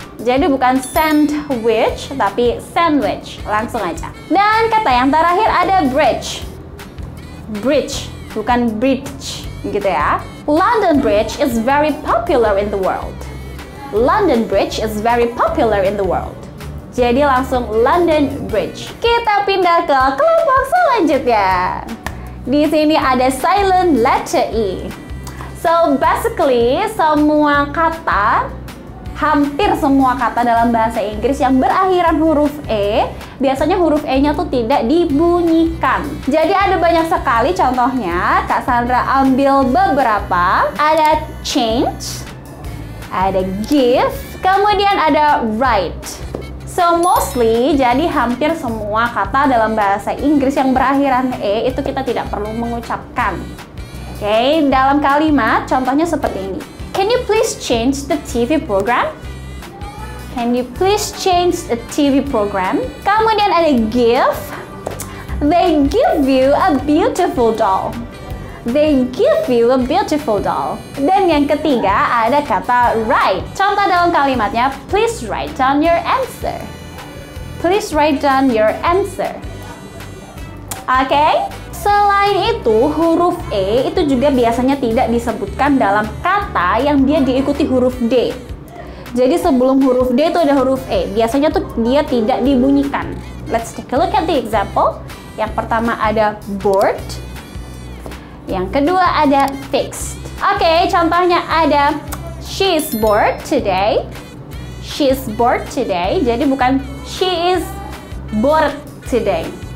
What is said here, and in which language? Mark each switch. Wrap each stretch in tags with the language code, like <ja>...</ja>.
<id>Jadi bukan sandwich, tapi sandwich. Langsung aja. Dan kata yang terakhir ada bridge. Bridge, bukan bridge gitu ya.</id> <en>London Bridge is very popular in the world. London Bridge is very popular in the world.</en> <id>Jadi langsung London Bridge. Kita pindah ke kelompok selanjutnya. Di sini ada silent letter E.</id> <en>So basically</en> <id>semua kata, hampir semua kata dalam bahasa Inggris yang berakhiran huruf E, biasanya huruf E-nya tuh tidak dibunyikan. Jadi ada banyak sekali contohnya. Kak Sandra ambil beberapa. Ada change, ada give, kemudian ada write.</id> <en>So mostly,</en> <id>jadi hampir semua kata dalam bahasa Inggris yang berakhiran E itu kita tidak perlu mengucapkan. Okay, dalam kalimat contohnya seperti ini.</id> <en>Can you please change the TV program? Can you please change the TV program?</en> <id>Kemudian ada</id> <en>give. They give you a beautiful doll. They give you a beautiful doll.</en> <id>Dan yang ketiga ada kata write. Contoh dalam kalimatnya,</id> <en>please write down your answer. Please write down your answer. Okay?</en> <id>Selain itu, huruf E itu juga biasanya tidak disebutkan dalam kata yang dia diikuti huruf D. Jadi sebelum huruf D itu ada huruf E. Biasanya tuh dia tidak dibunyikan.</id> <en>Let's take a look at the example.</en> <id>Yang pertama ada</id> <en>board.</en> <id>Yang kedua ada fixed. Okay, contohnya ada</id> <en>she's bored today. She's bored today.</en> <id>Jadi bukan</id> <en>she is bored today.</en>